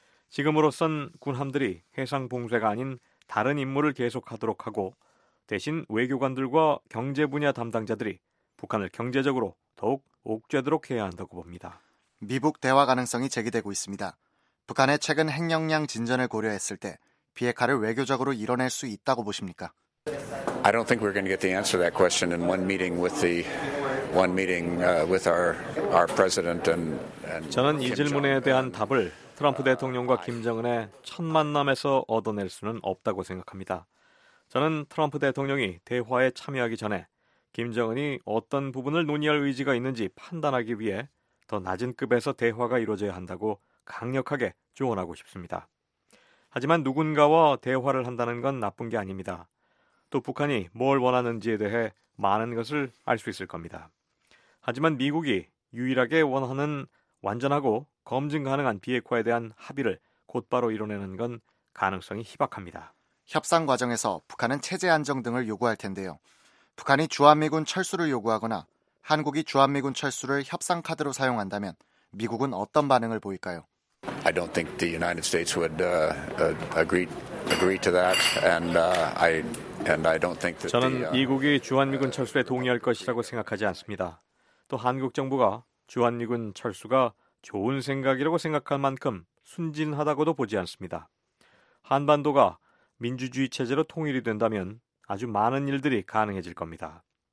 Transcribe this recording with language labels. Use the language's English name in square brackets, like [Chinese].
[Korean] 지금으로선 군함들이 해상 봉쇄가 아닌 다른 임무를 계속하도록 하고 대신 외교관들과 경제 분야 담당자들이 북한을 경제적으로 더욱 옥죄도록 해야 한다고 봅니다. 미북 대화 가능성이 제기되고 있습니다. 북한의 최근 핵역량 진전을 고려했을 때 비핵화를 외교적으로 이뤄낼 수 있다고 보십니까? [English] I don't think we're going to get the answer to that question in one meeting with the one meeting with our president and [Korean] 저는 이 질문에 대한 답을 트럼프 대통령과 김정은의 첫 만남에서 얻어낼 수는 없다고 생각합니다. 저는 트럼프 대통령이 대화에 참여하기 전에 김정은이 어떤 부분을 논의할 의지가 있는지 판단하기 위해 더 낮은 급에서 대화가 이루어져야 한다고 강력하게 조언하고 싶습니다. 하지만 누군가와 대화를 한다는 건 나쁜 게 아닙니다. 또 북한이 뭘 원하는지에 대해 많은 것을 알 수 있을 겁니다. 하지만 미국이 유일하게 원하는 완전하고 검증 가능한 비핵화에 대한 합의를 곧바로 이뤄내는 건 가능성이 희박합니다. 협상 과정에서 북한은 체제 안정 등을 요구할 텐데요. 북한이 주한미군 철수를 요구하거나 한국이 주한미군 철수를 협상 카드로 사용한다면 미국은 어떤 반응을 보일까요? [English] I don't think the United States would agree to that and I don't think that [Korean] 저는 미국이 주한미군 철수에 동의할 것이라고 생각하지 않습니다. 또 한국 정부가 주한미군 철수가 좋은 생각이라고 생각할 만큼 순진하다고도 보지 않습니다. 한반도가 민주주의 체제로 통일이 된다면 아주 많은 일들이 가능해질 겁니다.